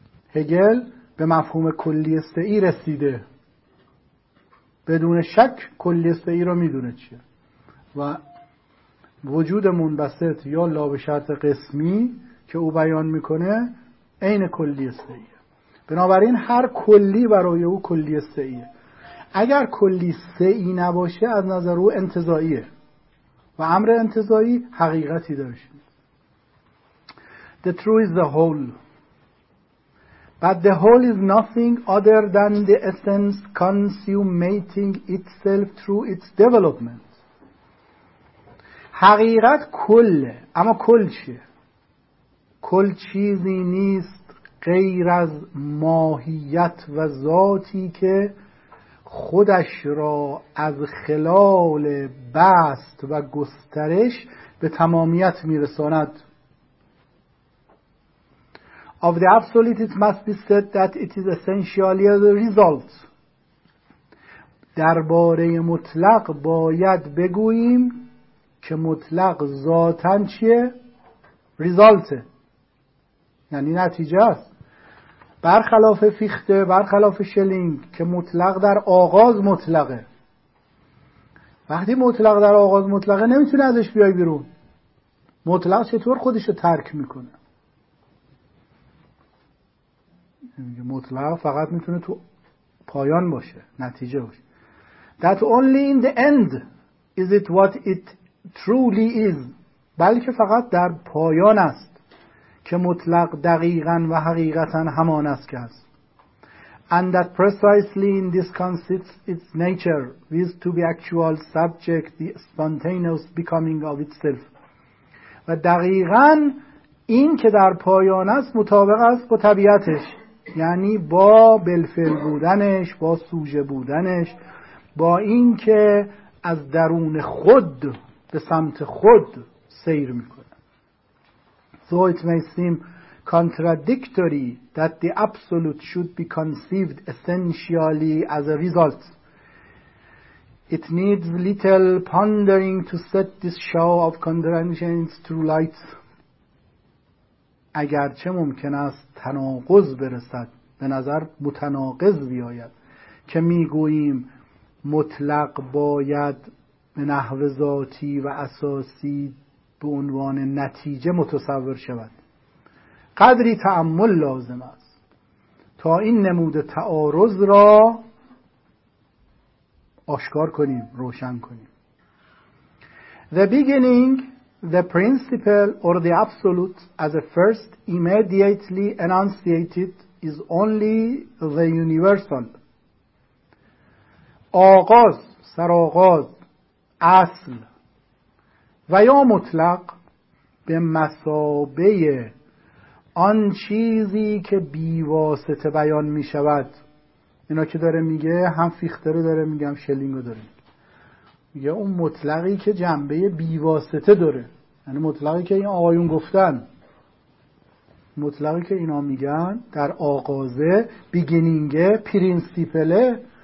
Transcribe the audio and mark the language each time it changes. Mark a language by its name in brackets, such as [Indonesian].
[Persian] هگل به مفهوم کلی استعی رسیده، بدون شک کلی استعی رو میدونه چیه، و وجود منبسط یا لابشرط قسمی که او بیان میکنه عین کلی استعیه. بنابراین هر کلی برای او کلی سعیه. اگر کلی سعی نباشه از نظر او انتزاعیه، و امر انتزاعی حقیقتی داره. [English] The true is the whole، but the whole is nothing other than the essence consummating itself through its development. [Persian] حقیقت کله، اما کل چیه؟ کل چیزی نیست غیر از ماهیت و ذاتی که خودش را از خلال بسط و گسترش به تمامیت میرساند. [English] Of the absolute it must be said that it is essentially a result. [Persian] درباره مطلق باید بگوییم که مطلق ذاتاً چیه؟ ریزالته، یعنی نتیجه است. برخلاف فیخته، برخلاف شلینگ که مطلق در آغاز مطلقه. وقتی مطلق در آغاز مطلقه نمیتونه ازش بیای بیرون. مطلق چطور خودشو ترک میکنه؟ میگه مطلق فقط میتونه تو پایان باشه، نتیجه باشه. [English] That only in the end is it what it truly is. [Persian] بلکه فقط در پایان است که مطلق دقیقاً و حقیقتاً همان است که است. [English] And that precisely in this consists its nature, viz. To be actual subject, the spontaneous becoming of itself. [Persian] و دقیقاً این که در پایان است مطابق است با طبیعتش، یعنی با بالفعل بودنش، با سوژه بودنش، با این که از درون خود به سمت خود سیر میکنه. [English] So it may seem contradictory that the absolute should be conceived essentially as a result. It needs little pondering to set this show of contradictions to light. [Persian] اگرچه ممکن است تناقض برسد، به نظر متناقض بیاید که میگوییم مطلق باید به نحو ذاتی و اساسی به عنوان نتیجه متصور شود، قدری تأمل لازم است تا این نمود تعارض را آشکار کنیم، روشن کنیم. [English] The beginning, the principle or the absolute as a first immediately enunciated is only the universal. [Persian] آغاز، سرآغاز، اصل و یا مطلق به مثابه آن چیزی که بیواسطه بیان می شود. اینا که داره میگه، هم فیخته رو داره میگه، هم شلینگ رو داره میگه، اون مطلقی که جنبه بیواسطه داره، یعنی مطلقی که این آقایون گفتن، مطلقی که اینا میگن در آغازه، بیگینینگه، پرینسیپله.